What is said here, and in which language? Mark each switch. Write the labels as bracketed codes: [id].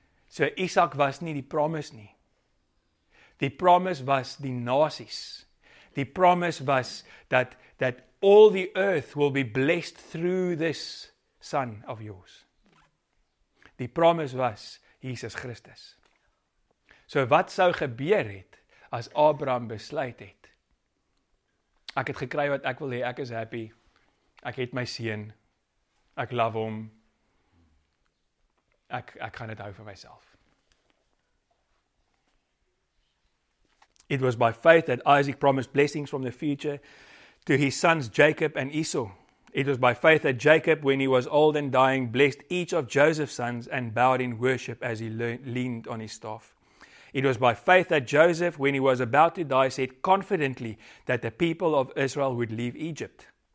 [af] So Isaac was nie die promise nie. Die promise was die nasies. [en] Die promise was that all the earth will be blessed through this son of yours. [af] Die promise was Jesus Christus. So wat sou gebeur het as Abraham besluit het? Ek het gekry wat ek wil hê, ek is happy. Ek het my seun. Ek love hom. Ek gaan dit hou vir myself. [en] It was by faith that Isaac promised blessings from the future to his sons Jacob and Esau. It was by faith that Jacob, when he was old and dying, blessed each of Joseph's sons and bowed in worship as he leaned on his staff. It was by faith that Joseph, when he was about to die, said confidently that the people of Israel would leave Egypt.